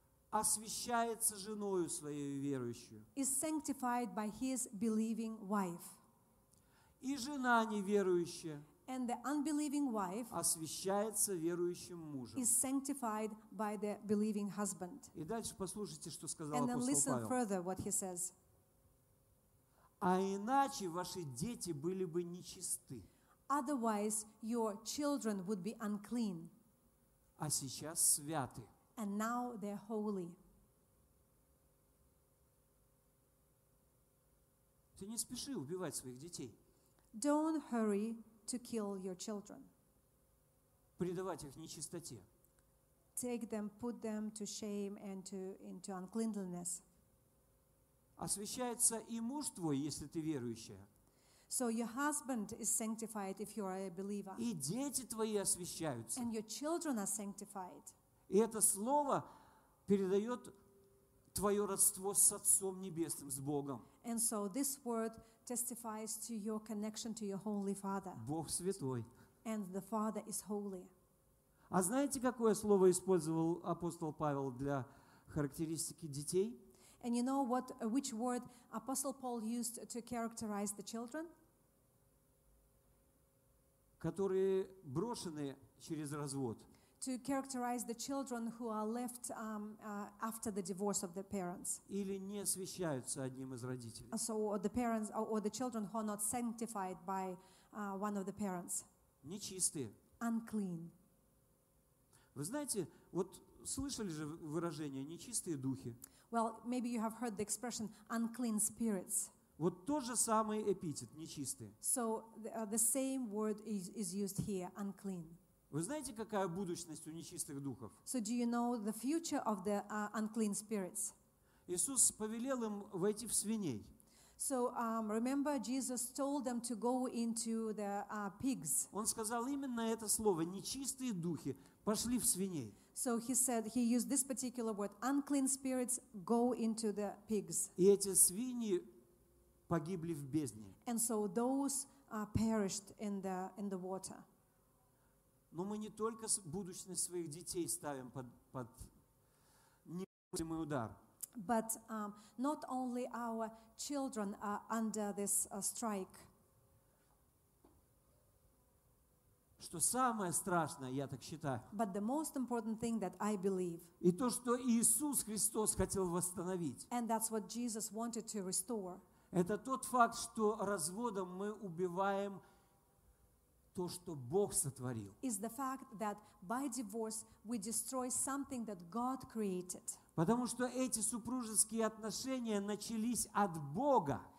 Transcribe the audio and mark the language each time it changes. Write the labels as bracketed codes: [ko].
[ru] освящается женою своей верующую. [en] Is sanctified by his believing wife. [ru] И жена неверующая. [en] And the unbelieving wife [ru] освящается верующим мужем. [en] Is sanctified by the believing husband. [ru] И дальше послушайте, что сказал апостол Павел. [en] And then listen further what he says. [ru] А иначе ваши дети были бы нечисты. [en] Otherwise, your children would be unclean. [ru] А сейчас святы. [en] And now they're holy. [ru] Ты не спеши убивать своих детей. [en] Don't hurry to kill your children. [ru] Предавать их нечистоте. [en] Take them, put them to shame and into uncleanliness. [ru] Освящается и муж твой, если ты верующая. [en] So your husband is sanctified if you are a believer. [ru] И дети твои освящаются. [en] And your children are sanctified. [ru] И это слово передает твое родство с Отцом Небесным, с Богом. [en] And so this word testifies to your connection to your Holy Father. [ru] Бог святой. [en] And the Father is holy. [ru] А знаете, какое слово использовал апостол Павел для характеристики детей? [en] And you know what, which word Apostle Paul used to characterize the children? [ru] Которые брошены через развод. [en] To characterize the children who are left after the divorce of their parents. [ru] Или не освящаются одним из родителей. [en] So the parents or the children who are not sanctified by one of the parents. [ru] Нечистые. [en] Unclean. [ru] Вы знаете, вот слышали же выражение «нечистые духи». [en] Well, maybe you have heard the expression unclean spirits. [ru] Вот тот же самый эпитет, нечистый. [en] So the same word is used here, unclean. [ru] Вы знаете, какая будущность у нечистых духов? [en] So do you know the future of the unclean spirits? [ru] Иисус повелел им войти в свиней. [en] So remember, Jesus told them to go into the pigs. [ru] Он сказал именно это слово: нечистые духи пошли в свиней. [en] So he said, he used this particular word: unclean spirits go into the pigs. [ru] И эти свиньи погибли в бездне. [en] And so those perished in the water. [ru] Но мы не только будущность своих детей ставим под невыносимый удар. [en] But not only our children are under this strike. [ru] Что самое страшное, я так считаю. [en] But the most important thing that I believe. [ru] И то, что Иисус Христос хотел восстановить. [en] And that's what Jesus wanted to restore. [ru] Это тот факт, что разводом мы убиваем то, что Бог сотворил. [en] Is the fact that by divorce we destroy something that God created. [ru] Потому что эти супружеские отношения начались от Бога.